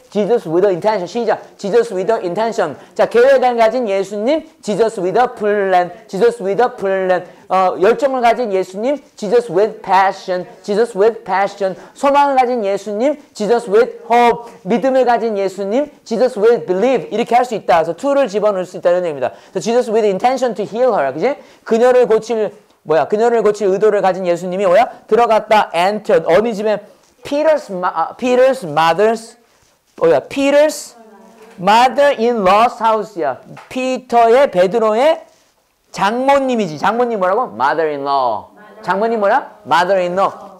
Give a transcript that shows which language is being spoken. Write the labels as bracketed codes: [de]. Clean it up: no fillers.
[en] Jesus with the intention. [ko] 시작. [en] Jesus with the intention. [ko] 자, 계획을 가진 예수님, [en] Jesus with the plan. Jesus with the plan. [ko] 열정을 가진 예수님, [en] Jesus with passion. Jesus with passion. [ko] 소망을 가진 예수님, [en] Jesus with hope. [ko] 믿음을 가진 예수님, [en] Jesus with belief. [ko] 이렇게 할 수 있다. 그래서 to를 집어넣을 수 있다는 얘기입니다. [en] So Jesus with intention to heal her, [ko] 그지? 그녀를 고칠, 뭐야? 그녀를 고칠 의도를 가진 예수님이 뭐야? 들어갔다, entered. 어느 집에? [en] Peter's mother's, [ko] 뭐야? [en] Peter's mother-in-law's house야. [ko] 피터의 베드로의 장모님이지. 장모님 뭐라고? Mother-in-law. 장모님 뭐라? Mother-in-law.